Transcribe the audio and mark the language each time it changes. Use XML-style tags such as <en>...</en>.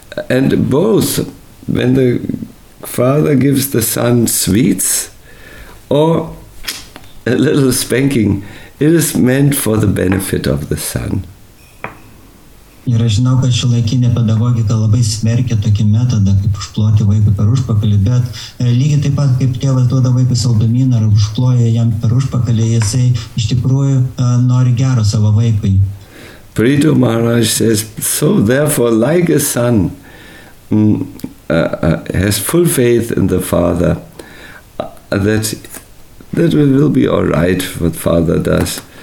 <en>And both, when the father gives the son sweets or a little spanking, it is meant for the benefit of the son.</en> <lt>Ir aš žinau, kad šiuolaikinė pedagogika labai smerkia tokį metodą, kaip užploti vaikui per užpakalį, bet lygiai taip pat, kaip tėvas duoda vaikui saldumyną ar užploja jam per užpakalį, jisai iš tikrųjų nori gero savo vaikui.</lt> <en>Prithu Maharaj says, so therefore, like a son has full faith in the father, that it will be all right what father does.</en>